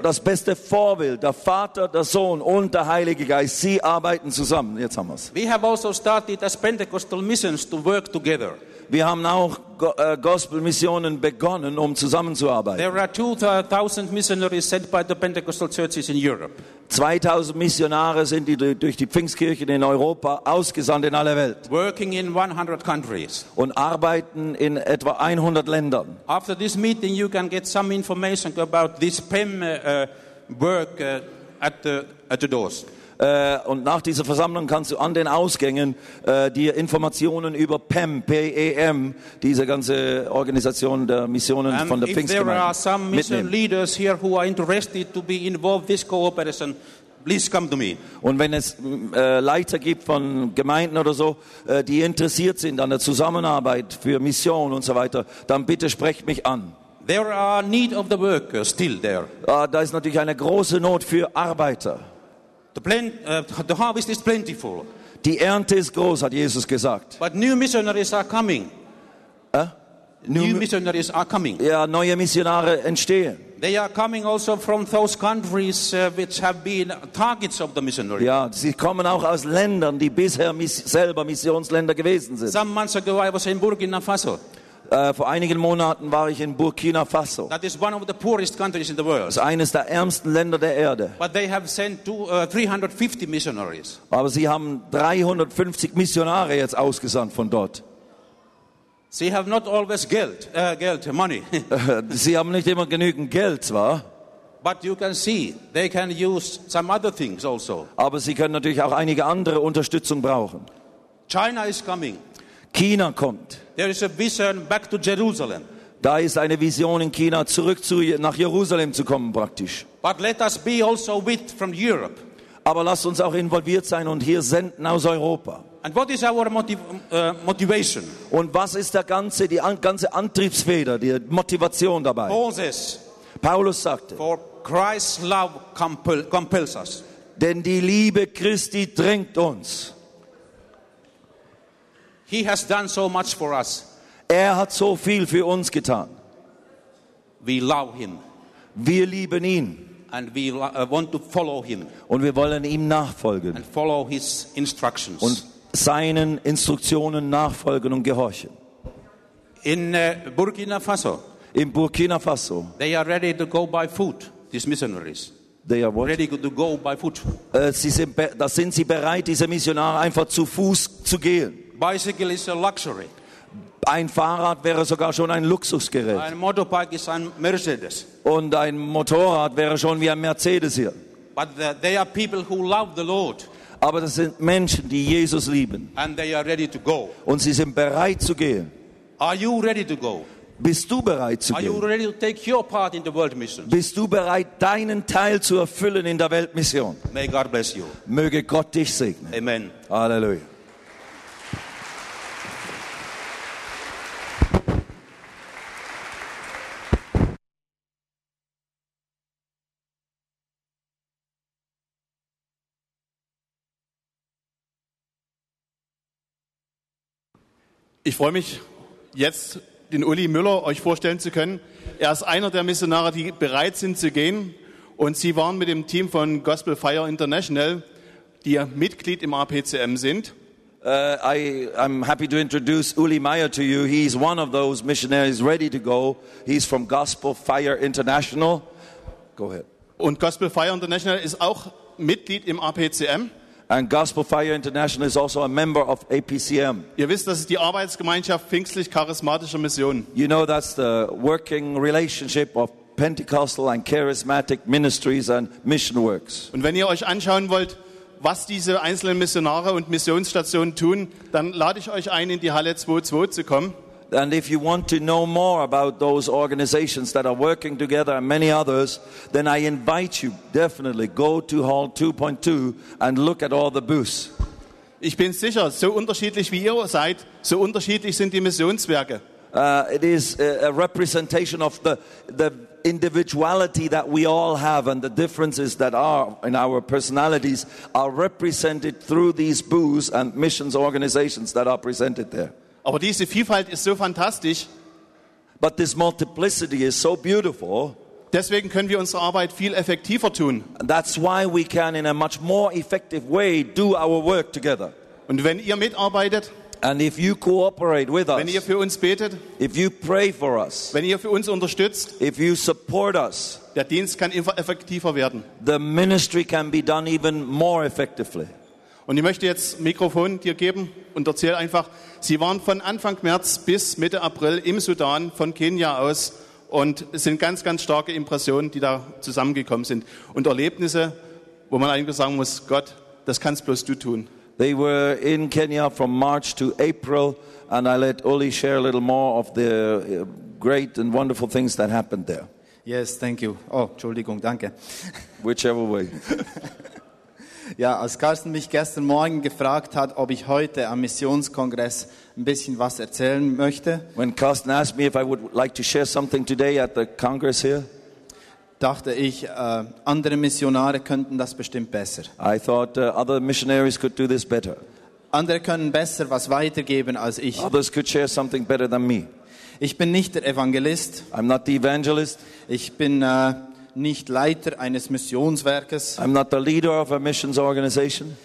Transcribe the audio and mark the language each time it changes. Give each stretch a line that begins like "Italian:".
German: Das beste Vorbild, der Vater, der Sohn und der Heilige Geist, sie arbeiten zusammen. Jetzt haben wir's.
English: We have also started as Pentecostal missions to work together.
German: Wir haben auch Gospel-Missionen begonnen, um zusammenzuarbeiten.
English: There are 2,000 missionaries sent by the Pentecostal churches in Europe.
German: 2,000 Missionare sind durch die Pfingstkirchen in Europa ausgesandt in alle Welt.
English: Working in 100 countries.
German: Und arbeiten in etwa 100 Ländern.
English: After this meeting, you can get some information about this PEM work at the doors.
German: Und nach dieser Versammlung kannst du an den Ausgängen dir Informationen über PEM, P-E-M, diese ganze Organisation der Missionen von der Pfingstgemeinde mitnehmen.
English: If there are some mission leaders here who are interested to be involved in this cooperation, please come to me.
German: Und wenn es Leiter gibt von Gemeinden oder so, die interessiert sind an der Zusammenarbeit für Mission und so weiter, dann bitte sprecht mich an.
English: There are need of the workers still there.
German: Da ist natürlich eine große Not für Arbeiter.
English: The harvest is plentiful.
German: Die Ernte ist groß, hat Jesus gesagt.
English: But new missionaries are coming. New missionaries are coming.
German: Ja, neue Missionare entstehen.
English: They are coming also from those countries which have been targets of the missionaries.
German: Ja, sie kommen auch aus Ländern, die bisher selber Missionsländer gewesen sind.
English: Some months ago I was in Burkina Faso.
German: Vor einigen Monaten war ich in Burkina Faso.
English: That is one of the poorest countries in the world.
German: Das ist eines der ärmsten Länder der Erde.
English: But they have sent 350 missionaries.
German: Aber sie haben 350 Missionare jetzt ausgesandt von dort. Sie haben
English: not always
German: Geld,
English: money.
German: Sie haben nicht immer genügend Geld, zwar.
English: But you can see they can use some other things also.
German: Aber sie können natürlich auch einige andere Unterstützung brauchen.
English: China is coming.
German: China kommt.
English: There is a vision back to Jerusalem.
German: Da ist eine Vision in China, zurück nach Jerusalem zu kommen, praktisch.
English: But let us be also with from Europe.
German: Aber lasst uns auch involviert sein und hier senden aus Europa.
English: And what is our motivation?
German: Und was ist die ganze Antriebsfeder, die Motivation dabei?
English: Paul says,
German: Paulus sagte,
English: for Christ's love compels us.
German: Denn die Liebe Christi drängt uns.
English: He has done so much for us.
German: Er hat so viel für uns getan.
English: We love him.
German: Wir lieben ihn.
English: And we want to follow him.
German: Und wir wollen ihm nachfolgen.
English: And follow his instructions.
German: Und seinen Instruktionen nachfolgen und gehorchen.
English: In Burkina Faso.
German: In Burkina Faso.
English: They are ready to go by foot, these missionaries. They are what? Ready to go by foot.
German: Sie sind bereit, diese Missionare einfach zu Fuß zu gehen.
English: Bicycle is a luxury.
German: Ein Fahrrad wäre sogar schon ein Luxusgerät. Ein Motorbike ist ein Mercedes. Und ein Motorrad wäre schon wie ein Mercedes hier.
English: But they are people who love the Lord.
German: Aber das sind Menschen, die Jesus lieben.
English: And they are ready to go.
German: Und sie sind bereit zu gehen.
English: Are you ready to go?
German: Bist du bereit zu gehen?
English: Are you ready to take your part in the world mission?
German: Bist du bereit, deinen Teil zu erfüllen in der Weltmission?
English: May God bless you.
German: Möge Gott dich segnen.
English: Amen.
German: Halleluja. Ich freue mich, jetzt den Uli Müller euch vorstellen zu können. Er ist einer der Missionare, die bereit sind zu gehen. Und sie waren mit dem Team von Gospel Fire International, die Mitglied im APCM sind.
English: I'm happy to introduce Uli Meyer to you. He's one of those missionaries ready to go. He's from Gospel Fire International. Go ahead.
German: Und Gospel Fire International ist auch Mitglied im APCM.
English: And Gospel Fire International is also a member of APCM.
German: Ihr wisst, das ist die Arbeitsgemeinschaft pfingstlich-charismatischer Mission.
English: You know that's the working relationship of Pentecostal and charismatic ministries and mission works.
German: Und wenn ihr euch anschauen wollt, was diese einzelnen Missionare und Missionsstationen tun, dann lade ich euch ein, in die Halle 2.2 zu kommen.
English: And if you want to know more about those organizations that are working together and many others, then I invite you definitely go to Hall 2.2 and look at all the booths.
German: Ich bin sicher, so unterschiedlich wie ihr seid, so unterschiedlich sind die Missionswerke.
English: It is a representation of the individuality that we all have and the differences that are in our personalities are represented through these booths and missions organizations that are presented there.
German: Aber diese Vielfalt ist so fantastisch.
English: But this multiplicity is so beautiful.
German: Deswegen können wir unsere Arbeit viel effektiver tun.
English: That's why we can in a much more effective way do our work together.
German: Und wenn ihr mitarbeitet,
English: and if you cooperate with us,
German: wenn ihr für uns betet,
English: if you pray for us,
German: wenn ihr für uns unterstützt,
English: if you support us,
German: der Dienst kann effektiver werden.
English: The ministry can be done even more effectively.
German: Und ich möchte jetzt Mikrofon dir geben und erzähl einfach, sie waren von Anfang März bis Mitte April im Sudan von Kenia aus und es sind ganz, ganz starke Impressionen, die da zusammengekommen sind und Erlebnisse, wo man eigentlich sagen muss, Gott, das kannst bloß du tun.
English: They were in Kenya from March to April and I let Uli share a little more of the great and wonderful things that happened there. Yes, thank you. Oh,
German: Entschuldigung, danke.
English: Whichever way.
German: Ja, als Carsten mich gestern Morgen gefragt hat, ob ich heute am Missionskongress ein bisschen was erzählen möchte,
English: when Carsten asked me if I would like to share something today at the Congress here,
German: dachte ich, andere Missionare könnten das bestimmt besser.
English: I thought other missionaries could do this better.
German: Andere können besser was weitergeben als ich.
English: Others could share something better than me.
German: Ich bin nicht der Evangelist.
English: I'm not the evangelist.
German: Ich bin nicht Leiter eines Missionswerkes.
English: I'm not the leader of a missions organization.